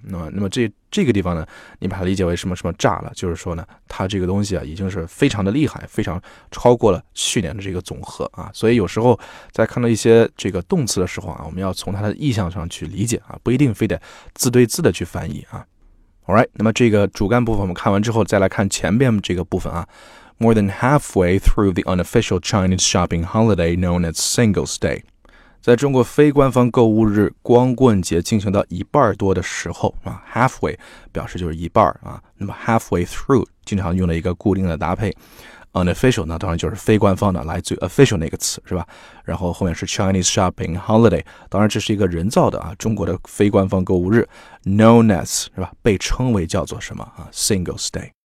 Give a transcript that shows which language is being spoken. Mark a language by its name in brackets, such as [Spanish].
[Chinese] 那么这个地方呢，你把它理解为什么什么炸了，就是说呢，它这个东西啊已经是非常的厉害，非常超过了去年的这个总和啊。所以有时候在看到一些这个动词的时候啊，我们要从它的意象上去理解啊，不一定非得字对字的去翻译啊。 [English] Alright, [Chinese] 那么这个主干部分我们看完之后再来看前面这个部分啊。 [English] More than halfway through the unofficial Chinese shopping holiday known as Singles Day. [Chinese] 在中国非官方购物日光棍节进行到一半多的时候啊 ,halfway 表示就是一半啊。那么 halfway through 经常用了一个固定的搭配。Unofficial 呢当然就是非官方的，来自于 official 那个词是吧，然后后面是 [English] Chinese shopping holiday, [Chinese] 当然这是一个人造的啊，中国的非官方购物日 [English] known as, [Chinese] 是吧，被称为叫做什么啊 ,Singles Day。